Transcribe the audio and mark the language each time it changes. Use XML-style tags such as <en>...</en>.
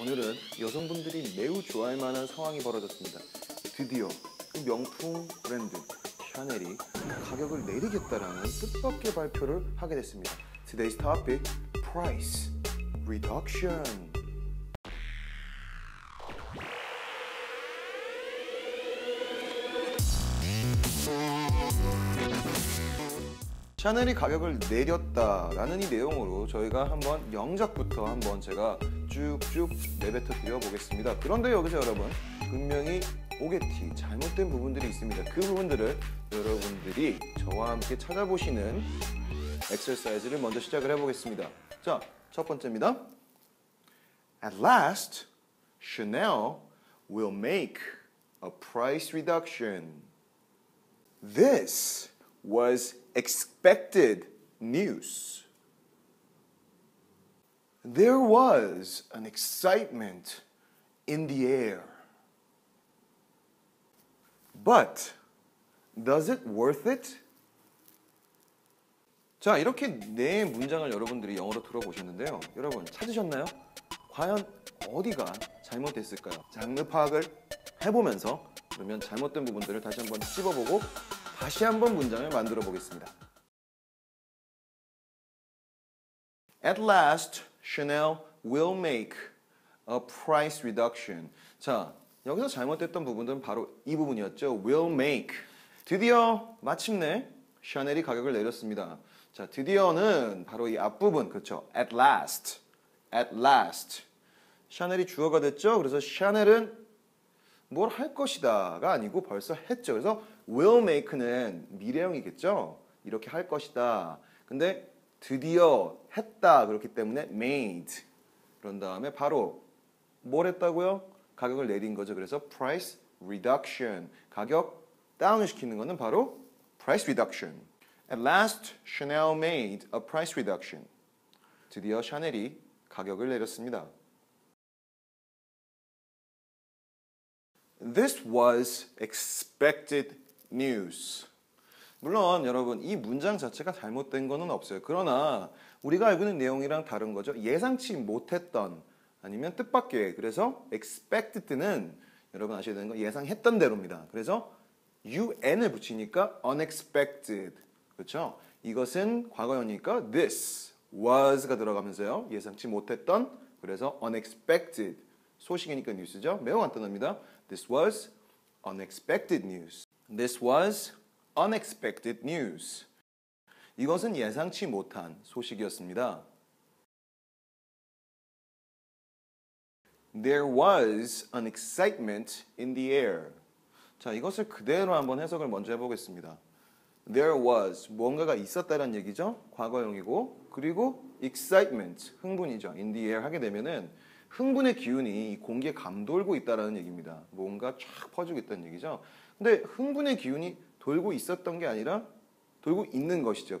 <ko>오늘은 여성분들이 매우 좋아할 만한 상황이 벌어졌습니다. 드디어 그 명품 브랜드 샤넬이 가격을 내리겠다라는 뜻밖의 발표를 하게 됐습니다.</ko> <en>Today's topic, price reduction.</en> <ko>샤넬이 가격을 내렸다라는 이 내용으로 저희가 한번 영작부터 한번 제가 쭉쭉 내뱉어 드려보겠습니다. 그런데 여기서 여러분, 분명히 오게티 잘못된 부분들이 있습니다. 그 부분들을 여러분들이 저와 함께 찾아보시는 엑서사이즈를 먼저 시작을 해보겠습니다. 자, 첫 번째입니다.</ko> <en>At last, Chanel will make a price reduction. This was expected news. There was an excitement in the air. But does it worth it?</en> <ko>자, 이렇게 네 문장을 여러분들이 영어로 들어보셨는데요. 여러분, 찾으셨나요? 과연 어디가 잘못됐을까요? 장르 파악을 해보면서 그러면 잘못된 부분들을 다시 한번 씹어보고 다시 한번 문장을 만들어 보겠습니다.</ko> <en>At last, Chanel will make a price reduction.</en> <ko>자, 여기서 잘못됐던 부분들은 바로 이 부분이었죠.</ko> <en>Will make.</en> <ko>드디어 마침내 샤넬이 가격을 내렸습니다. 자, 드디어는 바로 이 앞부분, 그렇죠.</ko> <en>At last. At last.</en> <ko>샤넬이 주어가 됐죠. 그래서 샤넬은 뭘 할 것이다가 아니고 벌써 했죠. 그래서 will make는 미래형이겠죠. 이렇게 할 것이다. 근데 드디어 했다. 그렇기 때문에 made. 그런 다음에 바로 뭘 했다고요? 가격을 내린 거죠. 그래서</ko> <en>price reduction.</en> <ko>가격 다운 시키는 거는 바로 price reduction.</ko> <en>At last, Chanel made a price reduction.</en> <ko>드디어 샤넬이 가격을 내렸습니다.</ko> <en>This was expected news.</en> <ko>물론 여러분, 이 문장 자체가 잘못된 거는 없어요. 그러나 우리가 알고 있는 내용이랑 다른 거죠. 예상치 못했던 아니면 뜻밖의, 그래서 expected는 여러분 아셔야 되는 거 예상했던 대로입니다. 그래서 un을 붙이니까 unexpected, 그렇죠? 이것은 과거형이니까 this was가 들어가면서요. 예상치 못했던, 그래서 unexpected, 소식이니까 뉴스죠. 매우 간단합니다.</ko> <en>This was unexpected news. This was unexpected news.</en> <ko>이것은 예상치 못한 소식이었습니다.</ko> <en>There was an excitement in the air.</en> <ko>자, 이것을 그대로 한번 해석을 먼저 해보겠습니다.</ko> <en>There was,</en> <ko>뭔가가 있었다라는 얘기죠. 과거형이고, 그리고 excitement, 흥분이죠. In the air 하게 되면은 흥분의 기운이 공기에 감돌고 있다라는 얘기입니다. 뭔가 쫙 퍼지고 있다는 얘기죠. 근데 흥분의 기운이 돌고 있었던 게 아니라 돌고 있는 것이죠.</ko>